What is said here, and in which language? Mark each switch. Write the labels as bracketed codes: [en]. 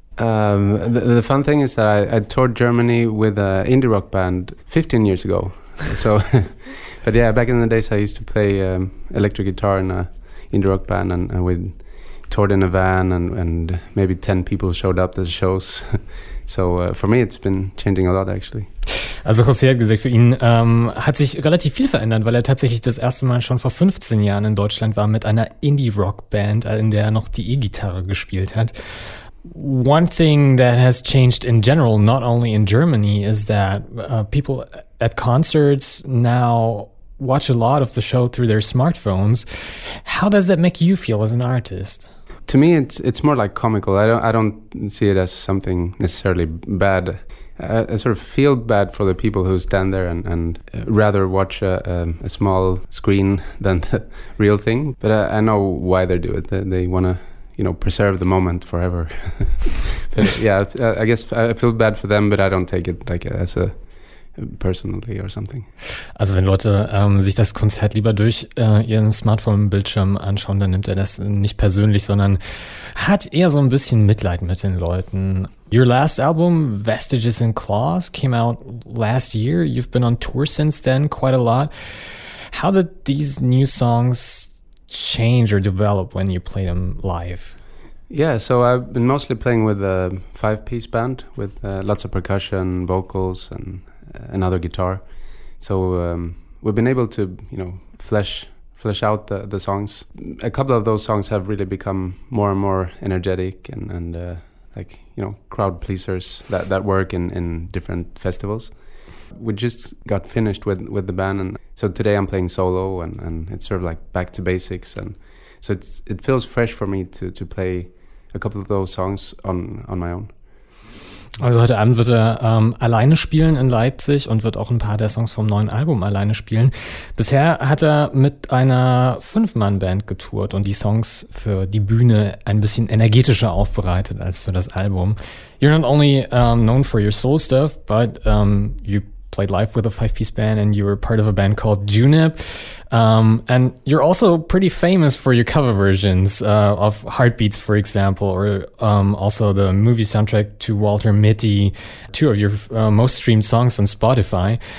[en] The fun thing is that I toured Germany with an indie rock band 15 years ago. So, but yeah, back in the days, I used to play electric guitar in an indie rock band, and we toured in a van, and maybe 10 people showed up to the shows. So for me, it's been changing a lot, actually. [de] Also José hat gesagt, für ihn hat sich relativ viel verändert, weil er tatsächlich das erste Mal schon vor 15 Jahren in Deutschland war mit einer Indie-Rock-Band, in der er noch die E-Gitarre gespielt hat. [en] One thing that has changed in general, not only in Germany, is that people at concerts now watch a lot of the show through their smartphones. How does that make you feel as an artist? To me, it's more like comical. I don't see it as something necessarily bad. I sort of feel bad for the people who stand there and rather watch a small screen than the real thing. But I know why they do it. They want to, you know, preserve the moment forever. But yeah, I guess I feel bad for them, but I don't take it like as a personally or something. [de] Also wenn Leute sich das Konzert lieber durch ihren Smartphone-Bildschirm anschauen, dann nimmt er das nicht persönlich, sondern hat eher so ein bisschen Mitleid mit den Leuten. [en] Your last album, Vestiges and Claws, came out last year. You've been on tour since then quite a lot. How did these new songs change or develop when you play them live? Yeah, so I've been mostly playing with a five-piece band with lots of percussion, vocals, and another guitar. So we've been able to, you know, flesh out the songs. A couple of those songs have really become more and more energetic and like, you know, crowd pleasers that work in different festivals. We just got finished with the band, and so today I'm playing solo, and it's sort of like back to basics, and so it feels fresh for me to play a couple of those songs on my own. [de] Also heute Abend wird er alleine spielen in Leipzig und wird auch ein paar der Songs vom neuen Album alleine spielen. Bisher hat er mit einer Fünf-Mann-Band getourt und die Songs für die Bühne ein bisschen energetischer aufbereitet als für das Album. [en] You're not only known for your soul stuff, but you played live with a five-piece band and you were part of a band called Junip. And you're also pretty famous for your cover versions of Heartbeats, for example, or also the movie soundtrack to Walter Mitty, two of your most streamed songs on Spotify.